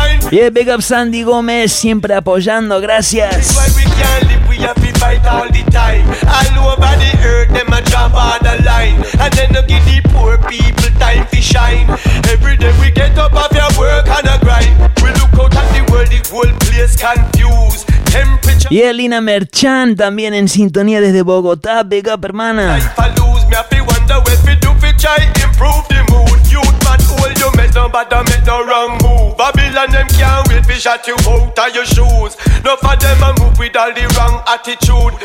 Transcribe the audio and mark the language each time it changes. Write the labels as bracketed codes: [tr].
[en] Yeah, big up [es] Sandy Gómez, siempre apoyando, gracias. [en] This is why we can't live, we have to fight all the time. All over the earth, them a drop on the line. And then no give the poor people time to shine. Every day we get up off your work and a grind. We look out at the world, the whole place confused. [es] Y Elina Merchan también en sintonía desde Bogotá, [en] big up [es] hermana. [en] If I lose, me a fi wonder what fi do fi try improve the mood. Youth man, all you mess up, but don't make no wrong move. Babylon them can't wait fi shot you out of your shoes. No for them a move with all the wrong attitude.